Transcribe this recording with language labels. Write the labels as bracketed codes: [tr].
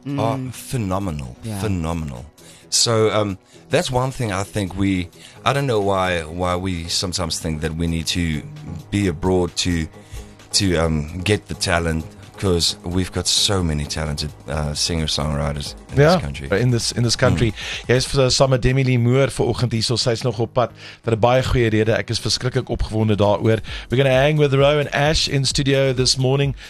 [en] Mm. Are phenomenal. Yeah. Phenomenal. So that's one thing I think I don't know why we sometimes think that we need to be abroad to get the talent, because we've got so many talented singer-songwriters in this country. In this country. [af] Jy is saam met Demi Lee Moore vir oggend hier, so sy is nog op pad vir 'n baie goeie rede. Ek is verskriklik opgewonde daaroor. [en] We're going to hang with Rowan Ash in studio this morning.